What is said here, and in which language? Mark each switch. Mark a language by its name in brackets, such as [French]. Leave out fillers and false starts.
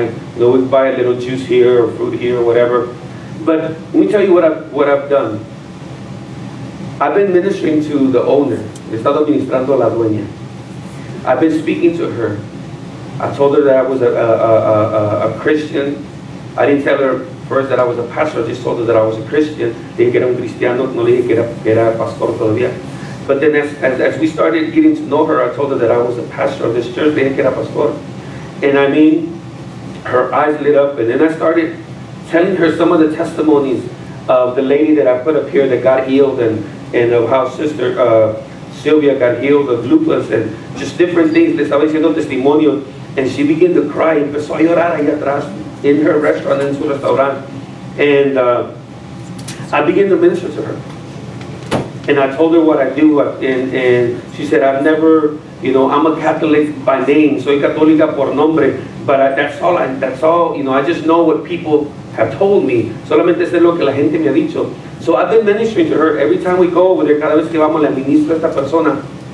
[English] You know, we buy a little juice here, or fruit here, or whatever. But let me tell you what I've done. I've been ministering to the owner. [Spanish] He estado ministrando a la dueña. [English] I've been speaking to her. I told her that I was a Christian. I didn't tell her first that I was a pastor, I just told her that I was a Christian. [Spanish] Dije que era un cristiano, no le dije que era pastor todavía. [English] But then as we started getting to know her, I told her that I was a pastor of this church. [Spanish] Dije que era pastor. [English] And I mean, her eyes lit up, and then I started telling her some of the testimonies of the lady that I put up here that got healed, and of how Sister Sylvia got healed of lupus and just different things. [Spanish] Le estaba diciendo testimonio. [English] And she began to cry. [Spanish] Empezó a llorar ahí atrás [English] in her restaurant, [Spanish] en su restaurante. [English] And I began to minister to her. And I told her what I do. And she said, I've never, you know, I'm a Catholic by name. [Spanish] Soy católica por nombre. [English] But I just know what people have told me. [Spanish] Solamente sé lo que la gente me ha dicho. [English] So I've been ministering to her every time we go over there. [Spanish] Cada vez que vamos, le ministro a esta persona.